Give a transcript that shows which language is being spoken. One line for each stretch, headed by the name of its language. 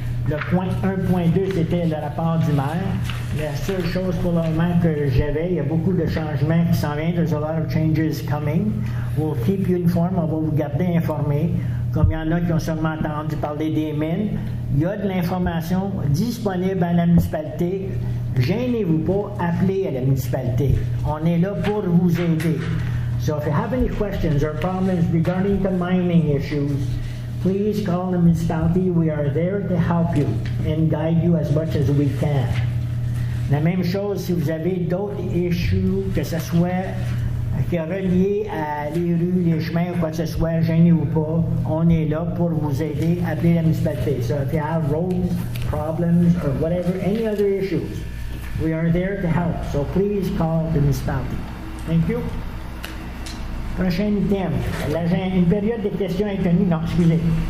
French: Le point 1.2, c'était le rapport du maire. La seule chose pour le moment que j'avais, il y a beaucoup de changements qui s'en viennent.
English: There's a lot of changes coming. We'll keep you informed.
French: On va vous garder informés. Comme il y en a qui ont seulement entendu parler des mines, il y a de l'information disponible à la municipalité. Gênez-vous pas, appelez à la municipalité. On est là pour vous aider.
English: So if you have any questions or problems regarding the mining issues, please call the municipality. We are there to help you and guide you as much as we can.
French: La même chose, si vous avez d'autres issues, que ce soit qui est relié à les rues, les chemins, ou quoi que ce soit, gênez-vous pas, on est là pour vous aider à appeler la municipalité.
English: So if you have roads, problems, or whatever, any other issues, we are there to help. So please call the municipality. Thank you.
French: Prochain item, une période de questions est tenue, non, excusez.